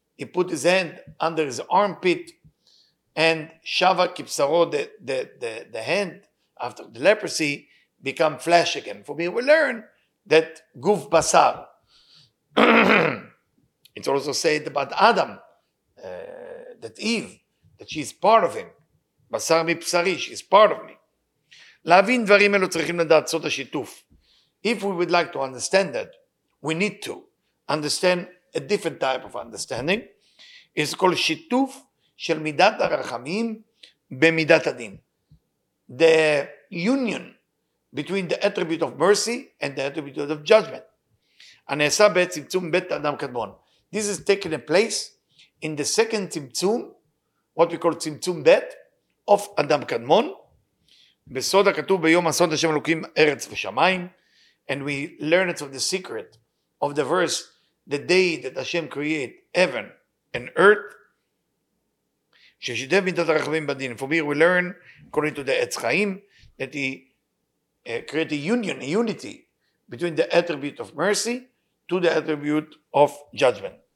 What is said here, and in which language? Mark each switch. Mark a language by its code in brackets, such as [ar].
[en] he put his hand under his armpit and Shava Kipsaro, the hand after the leprosy, become flesh again. For me, we learn that Guf Basar. It's also said about Adam, that Eve, that she is part of him. Basar Mipsari, she is part of me. [he] להבין דברים אלו צריכים לדעת סוד השיתוף. [en] If we would like to understand that, we need to understand a different type of understanding. It's called שיתוף של מידת הרחמים במידת הדין. The union between the attribute of mercy and the attribute of judgment. [he] הנעשה בצמצום בית אדם קדמון. [en] This is taking a place in the second צמצום, what we call צמצום בית, of אדם קדמון. [he] בסוד הכתוב ביום הסוד השם אלוקים ארץ ושמיים, [en] and we learn it from the secret of the verse, the day that Hashem created heaven and earth, [he] ששידב מידת הרחבים בדין. [en] For me, we learn, according to the Etz Chaim, that he created a union, a unity, between the attribute of mercy to the attribute of judgment.